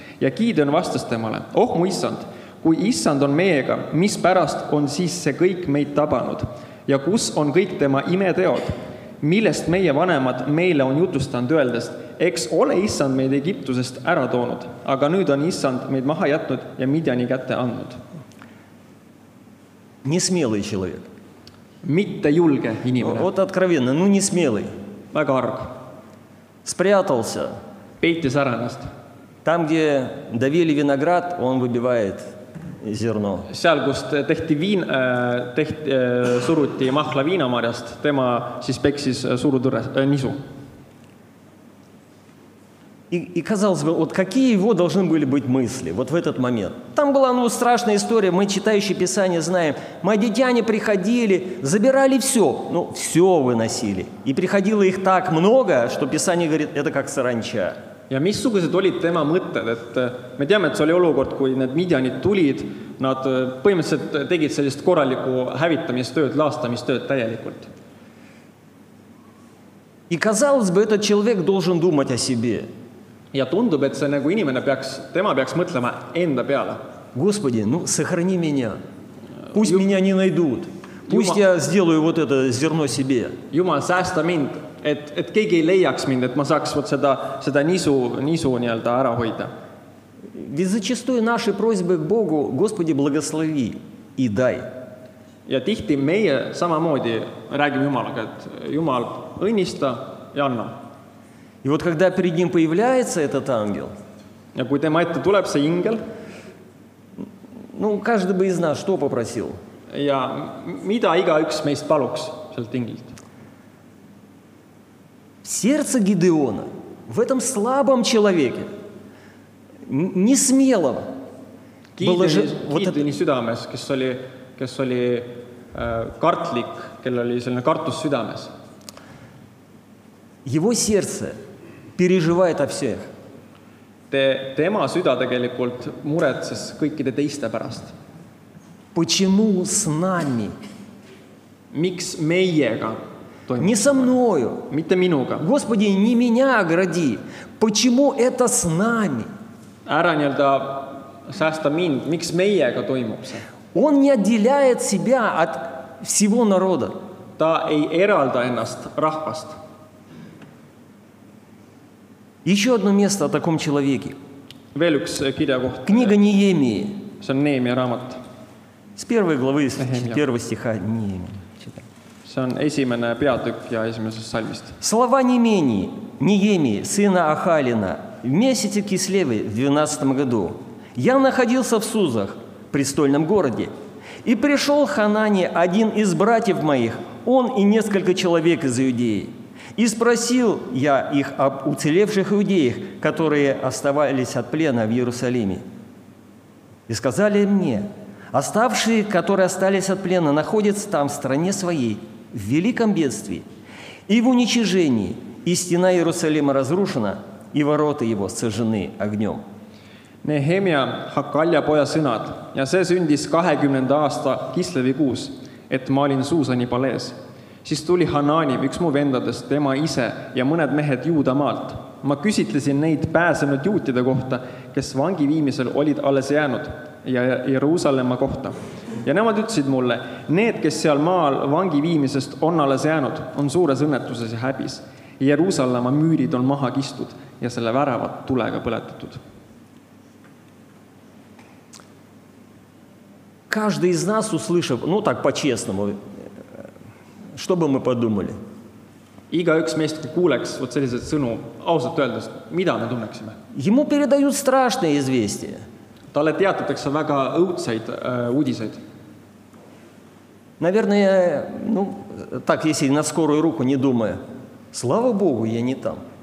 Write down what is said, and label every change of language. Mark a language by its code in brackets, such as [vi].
[et] Ja Gideon vastas temale: oh mu issand, kui issand on meiega, mis pärast on siis see kõik meid tabanud? Ja kus on kõik tema imeteod? Millest meie vanemad meile on jutustanud öeldes, eks ole issand meid Egiptusest ära toonud, aga nüüd on issand meid maha jätnud ja midjani kätte andnud. [ru] Несмелый человек. [et] Mitte julge inimene. [ru] Вот откровенно, ну несмелый. [et] Väga arg. [ru] Спрятался. [et] Peitis ära ennast. [ru] Там, где давили виноград, он выбивает зерно. [et] Seal, kust suruti mahla viinamarjast, tema siis peksis suru tõrres, nisu. [ru] И казалось бы, вот какие его должны были быть мысли вот в этот момент. Там была страшная история, мы, читающие Писание, знаем. Мадитяне приходили, забирали все, все выносили. И приходило их так много, что Писание говорит, это как саранча. [et] Ja missugused olid tema mõtted, et me teame, et see oli olukord, kui need midjanid tulid, nad põhimõtteliselt tegid sellist korraliku hävitamistööd, laastamistööd täielikult. [ru] И казалось бы, этот человек должен думать о себе. [et] Ja tundub, et see inimene peaks, tema peaks mõtlema enda peale. [ru] Господи, сохрани меня, пусть меня не найдут, пусть я сделаю вот это зерно себе. [et] Jumal, säästa mind. Et keegi ei leiaks mind, et ma saaks vot seda nisu nii-öelda ära hoida. [ru] Ведь зачастую наши просьбы к Богу: Господи, благослови и дай. [et] Ja tihti meie samamoodi räägime Jumalaga, et Jumal õnnista ja anna. [ru] И вот когда перед ним появляется этот ангел, [et] ja kui tema ette tuleb see ingel, [ru] ну, каждый бы из нас что попросил? [et] Ja mida iga üks meist paluks sealt ingelt? [ru] Сердце Гидеона в этом слабом человеке, не смелого, [et] Гидеони südames, kes oli kartlik, kellel oli selline kartus südames. [ru] Его сердце переживает о всех. [et] Tema süda tegelikult muretses kõikide teiste pärast. [ru] Почему с нами? [et] Miks meiega? [ru] Не со мною. [et] Mitte minuga. [ru] Господи, не меня огради. Почему это с нами? [et] Ära nii-öelda säästa mind. Miks meiega toimub see? [ru] Он не отделяет себя от всего народа. [et] Ta ei eralda ennast rahvast. [ru] Еще одно место о таком человеке. [et] Veel üks kirja koht. [ru] Книга Неемии. [et] See on Neemia raamat. [ru] С первой главы, с первого стиха Неемии. [et] See on esimene peatükk ja esimesest salmist. [ru] Слова Неемии, сына Ахалина, в месяце Кислевы в 12 году. Я находился в Сузах, престольном городе, и пришел Ханани, один из братьев моих, он и несколько человек из Иудеи. И спросил я их об уцелевших иудеях, которые оставались от плена в Иерусалиме. И сказали мне, оставшие, которые остались от плена, находятся там, в стране своей, в великом бедствии и в уничижении, и стена Иерусалима разрушена, и ворота его сожжены огнем. [et] Nehemia Hakalja poja sõnad ja see sündis 20. Aasta Kislevi kuus, et ma olin Suusani palees. Siis tuli Hanani, üks mu vendadest, tema ise ja mõned mehed juuda maalt. Ma küsitlesin neid pääsenud juutide kohta, kes vangi viimisel olid alles jäänud ja Jeruusalemma kohta. Ja nemad ütlesid mulle, need, kes seal maal vangi viimisest on alles jäänud, on suures õnnetuses ja häbis. Jeruusalemma müürid on maha kistud ja selle väravad tulega põletatud. [ru] Каждый из нас услышав, ну так по-честному, что бы мы подумали? [et] Igaüks meist kuuleks [ru] вот [et] sellised sõnu, ausalt öeldes, mida me tunneksime? [ru] Ему передают страшные известия. [et] Talle teatatakse väga õudseid uudiseid. [ru] Наверное, ну так, если на скорую руку не думая, слава Богу, я не там.